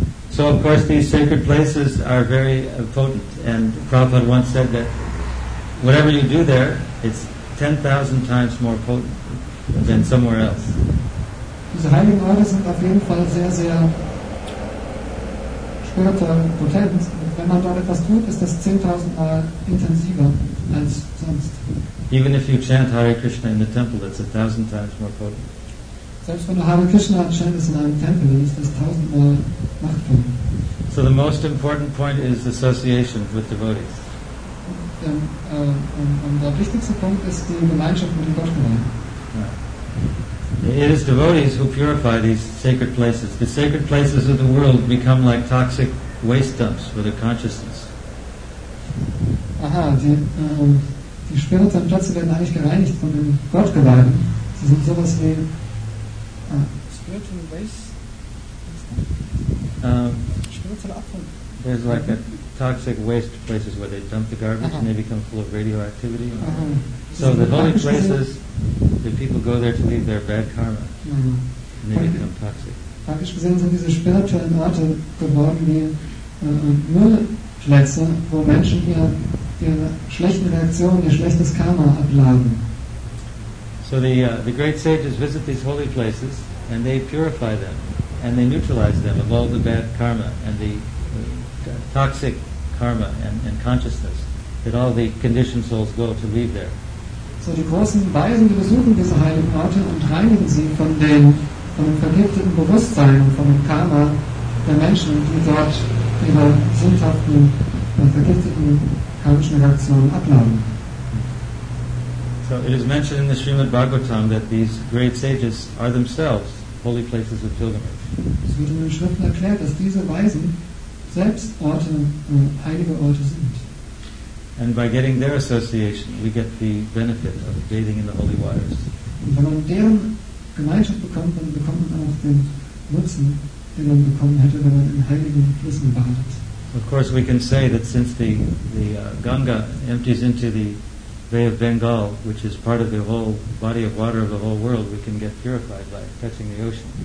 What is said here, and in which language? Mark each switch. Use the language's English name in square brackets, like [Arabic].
[English] So of course these sacred places are very potent, and Prabhupada once said that whatever you do there, it's 10,000 times more potent than somewhere else. [German] Diese heiligen Orte sind auf jeden Fall sehr, sehr spirituell potent. Wenn man dort etwas tut, ist das 10.000 Mal intensiver als sonst. [English] Even if you chant Hare Krishna in the temple, that's 1,000 times more potent. [German] Selbst wenn du Hare Krishna chantest in einem Tempel, dann ist das 1,000-mal machtvoller. [English] So the most important point is association with devotees. [German] Und der wichtigste Punkt ist die Gemeinschaft mit den Gottgeweihten. [English] It is devotees who purify these sacred places. The sacred places of the world become like toxic waste dumps for the consciousness. [German] Aha, die spirituellen Plätze werden eigentlich gereinigt von den Gottgeweihten. Sie sind sowas wie [English] spiritual waste. There's like a toxic waste places where they dump the garbage and they become full of radioactivity. So the holy places, the people go there to leave their bad karma and they become toxic. [German] Praktisch gesehen sind diese spirituellen Orte geworden wie Müllplätze, wo Menschen ihre schlechten Reaktionen, ihr schlechtes Karma abladen. [English] So the great sages visit these holy places and they purify them. And they neutralize them of all the bad karma and the toxic karma and consciousness that all the conditioned souls go to leave there. [German] So die großen Weisen besuchen diese heiligen Orte und reinigen sie von dem vergifteten Bewusstsein und von dem Karma der Menschen, die dort ihre sündhaften und vergifteten karmischen Reaktionen abladen. [English] So it is mentioned in the Srimad Bhagavatam that these great sages are themselves holy places of pilgrimage. [German] Es wird in den Schriften erklärt, dass diese Weisen selbst Orte, heilige Orte sind. [English] And by getting their association, we get the benefit of bathing in the holy waters. [German] Und wenn man deren Gemeinschaft bekommt, dann bekommt man auch den Nutzen, den man bekommen hätte, wenn man in heiligen Flüssen badet. [English] Of course, we can say that since the Ganga empties into the Bay of Bengal, which is part of the whole body of water of the whole world, we can get purified by touching the ocean.